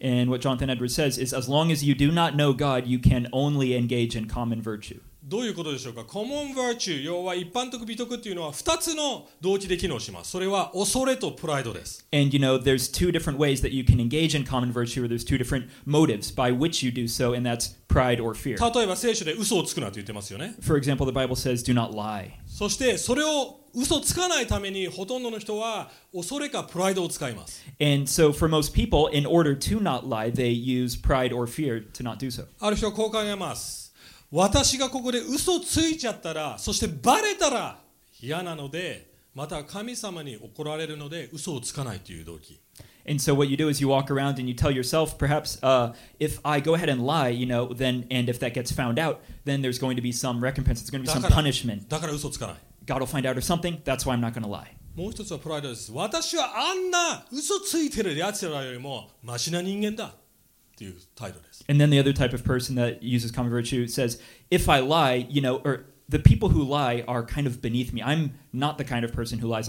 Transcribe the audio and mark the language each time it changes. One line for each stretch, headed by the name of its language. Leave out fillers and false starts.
English: And what Jonathan Edwards says is, as long as you do not know God, you can only engage in common virtue.
Japanese: どういうことでしょうか?Common virtue、要は一般的美徳というのは、二つの動機で機能します。それは恐れとプライドです。
English: And you know, there's two different ways that you can engage in common virtue, or there's two different motives by which you do so, and that's... Pride or fear.
Japanese: 例えば聖書で嘘をつくなと言ってますよね。
English: For example, the Bible says, do not lie.
Japanese: そしてそれを嘘つかないためにほとんどの人は恐れかプライドを使います。
English: And so for most people, in order to not lie, they use pride or fear to not do so.
Japanese: ある人はこう考えます。私がここで嘘ついちゃったら、そしてバレたら嫌なので、また神様に怒られるので嘘をつかないという動機。
English: And so what you do is you walk around and you tell yourself, perhaps, if I go ahead and lie, you know, then, and if that gets found out, then there's going to be some recompense, it's going to be some punishment.
Japanese: だから嘘つかない。
English: God will find out or something, that's why I'm not going to lie.
Japanese: もう一つはプライドです。私はあんな嘘ついてるやつらよりもマシな人間だっていう態度です。
English: And then the other type of person that uses common virtue says, if I lie, you know, or... The people who lie are kind of beneath me. I'm not the kind of person who lies.